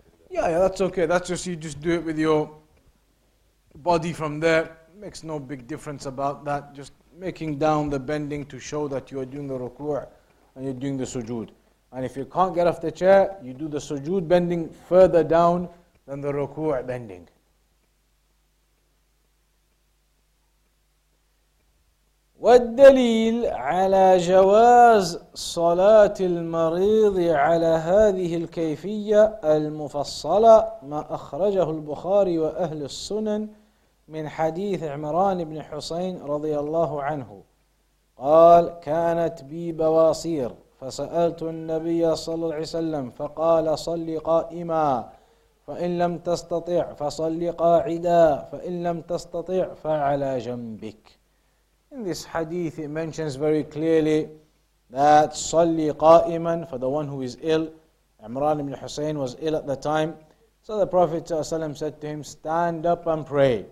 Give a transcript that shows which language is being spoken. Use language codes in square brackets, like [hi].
[en] Yeah, that's okay. That's just, you just do it with your body from there. Makes no big difference about that. Just making down the bending to show that you are doing the ruku' and you're doing the sujood. And if you can't get off the chair, you do the sujood bending further down than the ruku' bending. [ar] والدليل على جواز صلاة المريض على هذه الكيفية المفصلة ما أخرجه البخاري وأهل السنن من حديث عمران بن حسين رضي الله عنه قال كانت بي بواصير فسألت النبي صلى الله عليه وسلم فقال صلي قائما فإن لم تستطع فصلي قاعدا فإن لم تستطع فعلى جنبك. [en] In this hadith, it mentions very clearly that [ar] صلي قائما, [en] for the one who is ill, Imran ibn Hussein was ill at the time. So the Prophet ﷺ said to him, stand up and pray.